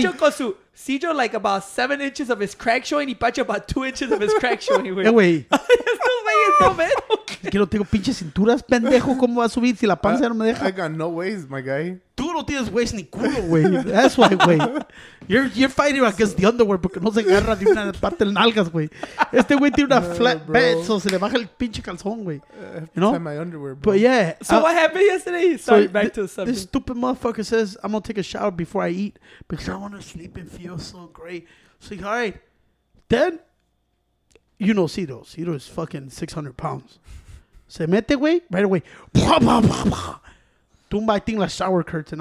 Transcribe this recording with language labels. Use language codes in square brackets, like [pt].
[en] Pacho con su Cijo, like about 7 inches of his crack showing, y Pacho about 2 inches of his crack showing, güey. [es] Hey, güey. No, es que no tengo pinches cinturas, pendejo. ¿Cómo va a subir si la panza no me deja? [en] I got no waist, my guy. [es] Tú no tienes waist ni culo, güey. [en] That's why, [es] güey. [en] You're fighting against the underwear [es] porque no se agarra de una parte de nalgas, güey. Este güey tiene una flat bed, so se le baja el pinche calzón, güey. [en] You know? My underwear, bro. But yeah. So what happened yesterday? Sorry, so back to the subject. This stupid motherfucker says, I'm going to take a shower before I eat because I want to sleep and feel so great. So, all right. Then... You know Ciro. Ciro is fucking 600 pounds. [es] Se mete, [en] güey, right away. Bah, bah, bah, bah. Tumba, I think, like shower curtain.